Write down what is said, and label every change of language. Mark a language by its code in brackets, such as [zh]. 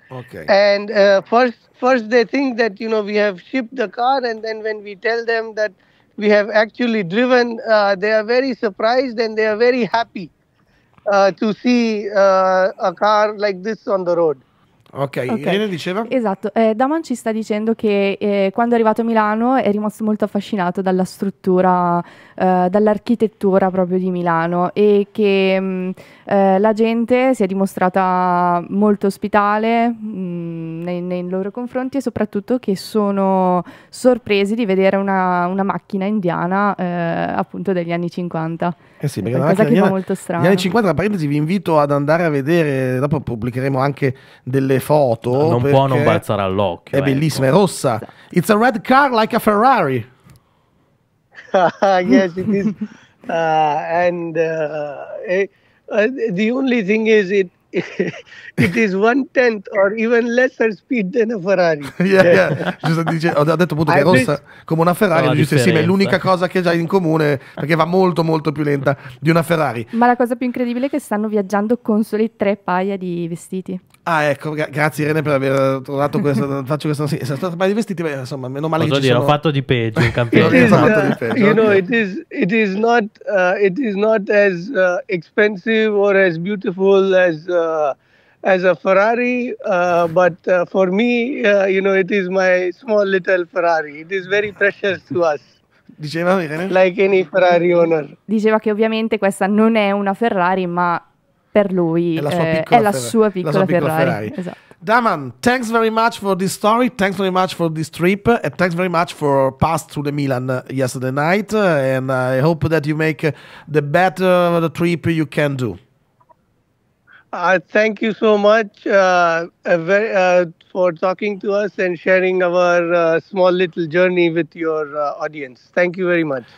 [en] Okay. And first they think that, you know, we have shipped the car, and then when we tell them that we have actually driven, they are very surprised and they are very happy to see a car like this on the road. [it] Ok, Irene diceva? Esatto, Daman ci sta dicendo che quando è arrivato a Milano è rimasto molto affascinato dalla struttura, dall'architettura proprio di Milano, e che la gente si è dimostrata molto ospitale nei loro confronti, e soprattutto che sono sorpresi di vedere una macchina indiana appunto degli anni 50. Eh sì, perché è una cosa che fa molto strano. Gli anni 50, tra parentesi, vi invito ad andare a vedere, dopo pubblicheremo anche delle foto. Non può non balzare all'occhio. [en] È bellissima, ecco. È rossa. It's a red car like a Ferrari. Yes, it is. And the only thing is it is one tenth or even lesser speed than a Ferrari. [it] Ho detto appunto che è rossa come una Ferrari, giusto, sì, ma è l'unica cosa che già in comune, perché va molto molto più lenta di una Ferrari. Ma la cosa più incredibile è che stanno viaggiando con soli tre paia di vestiti. Ah, ecco, grazie Irene per aver trovato questo. Faccio questo, sì, è stato un paio di vestiti, beh, insomma, meno male. Cosa che dire, ci sono... ho fatto di peggio in campione. [en] You know, it is not as expensive or as beautiful as a Ferrari, but for me, you know, it is my small little Ferrari. It is very precious to us. [it] Diceva Irene? [en] Like any Ferrari owner. [it] Diceva che ovviamente questa non è una Ferrari, ma per lui è la sua piccola Ferrari. Esatto. [en] Daman, thanks very much for this story, thanks very much for this trip, and thanks very much for pass through the Milan yesterday night, and I hope that you make the better the trip you can do. Thank you so much for talking to us and sharing our small little journey with your audience. Thank you very much.